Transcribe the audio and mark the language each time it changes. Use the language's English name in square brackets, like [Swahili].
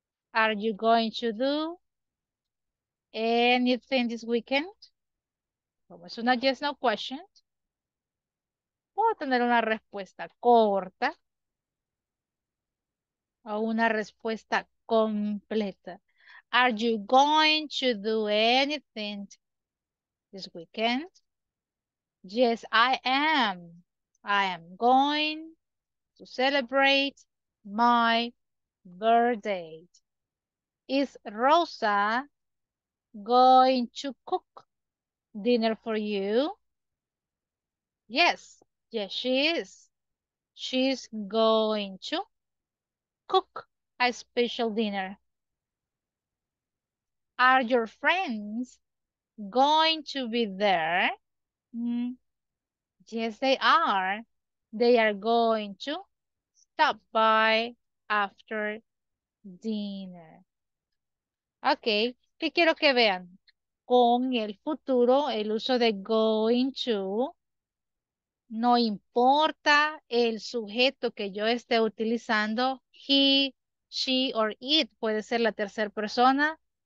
[English] Are you going to do anything this weekend? [Spanish] Como es una [English] yes no question, [Spanish] puedo tener una respuesta corta o una respuesta completa. [English] Are you going to do anything this weekend? Yes, I am. I am going to celebrate my birthday. Is Rosa going to cook dinner for you? Yes, she is. She's going to cook a special dinner. Are your friends going to be there? Yes, they are. They are going to stop by after dinner. [Spanish] Ok, ¿qué quiero que vean? Con el futuro, el uso de [English] going to, [Spanish] no importa el sujeto que yo esté utilizando, [English] he, she, or it, [Spanish] puede ser la tercera persona.